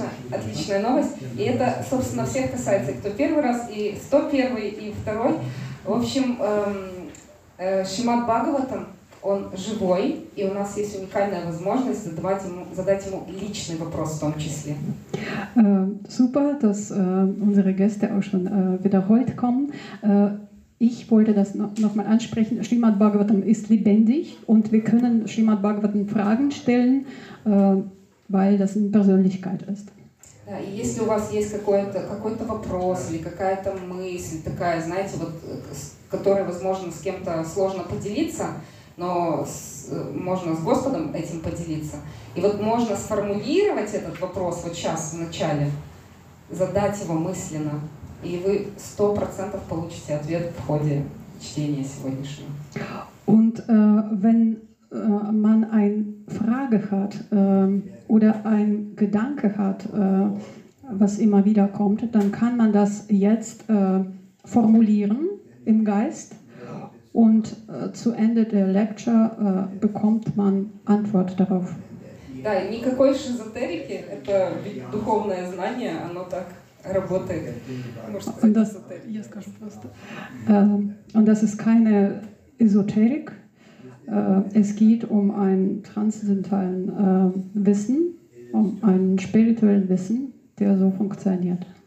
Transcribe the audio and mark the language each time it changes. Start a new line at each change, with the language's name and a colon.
Russian: Отличная новость. И это, собственно, всех касается, кто первый раз, и 101-й, и второй. В общем, Шримад Бхагаватам, он живой, и у нас есть уникальная возможность задать ему личный вопрос в том числе.
German: Super, dass unsere Gäste auch schon wiederholt kommen. Ich wollte das nochmal ansprechen. Srimad Bhagavatam ist lebendig und wir können Srimad Bhagavatam Fragen stellen, weil das eine Persönlichkeit ist.
Russian: Ja, если у вас есть какой-то вопрос или какая-то мысль такая, знаете, вот, которой, возможно, с кем-то сложно поделиться, но можно с Господом этим поделиться. И вот можно сформулировать этот вопрос вот сейчас в начале, задать его мысленно. И вы 100% получите ответ в ходе чтения сегодняшнего.
German: Und wenn man eine Frage hat oder ein Gedanke hat, was immer wieder kommt, dann kann man das jetzt formulieren im Geist und zu Ende der Lecture bekommt man Antwort darauf.
Russian: Да, никакой эзотерики, это духовное знание, оно так работает. Я скажу просто.
German: Und das ist keine Esoterik. Es geht um ein transzendentales Wissen, um ein spirituelles Wissen, der so funktioniert.